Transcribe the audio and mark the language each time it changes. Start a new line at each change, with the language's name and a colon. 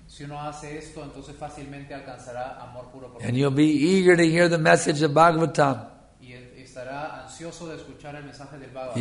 Spanish: Si uno hace esto, entonces fácilmente alcanzará amor puro.
English: And you'll be eager to hear the message of Bhagavatam.
Spanish: Y estará ansioso de escuchar el mensaje del Bhagavatam.